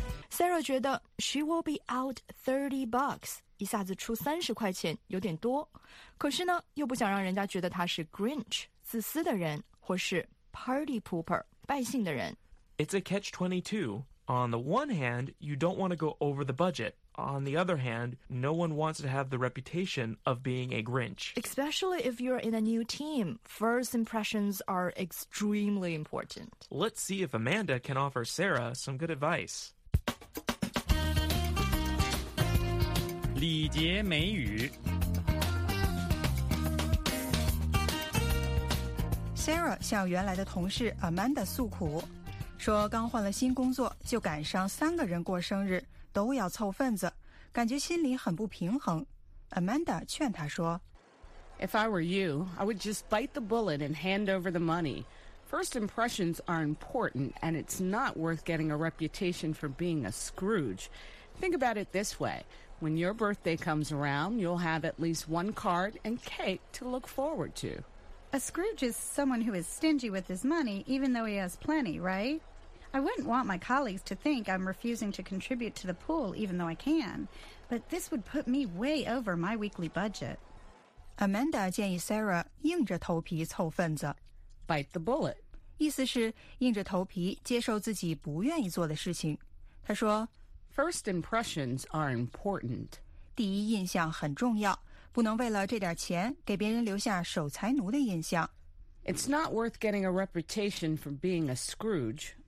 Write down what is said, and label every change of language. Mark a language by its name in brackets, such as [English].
[Chinese] Sarah 觉得 [English] She will be out $30, [Chinese] 一下子出30块钱有点多，可是呢又不想让人家觉得她是 Grinch 自私的人，或是 Party pooper 败兴的人。 [English] It's a catch-22. On the one hand, you don't want to go over the budgetOn the other hand, no one wants to have the reputation of being a Grinch. Especially if you're in a new team, first impressions are extremely important. Let's see if Amanda can offer Sarah some good advice. [Chinese] 礼节美语。 Sarah 向原来的同事 Amanda 诉苦，说刚换了新工作，就赶上三个人过生日，都要凑份子。感觉心里很不平衡。Amanda 劝她说， [English] If I were you, I would just bite the bullet and hand over the money. First impressions are important, and it's not worth getting a reputation for being a Scrooge. Think about it this way. When your birthday comes around, you'll have at least one card and cake to look forward to. A Scrooge is someone who is stingy with his money, even though he has plenty, right? I wouldn't want my colleagues to think I'm refusing to contribute to the pool, even though I can. But this would put me way over my weekly budget. [Chinese] Amanda 建议 Sarah 硬着头皮凑份子。 [English] Bite the bullet. [Chinese] 意思是硬着头皮接受自己不愿意做的事情。她说， [English] First impressions are important. [Chinese] 第一印象很重要，不能为了这点钱给别人留下守财奴的印象。 [English] It's not worth getting a reputation for being a Scrooge.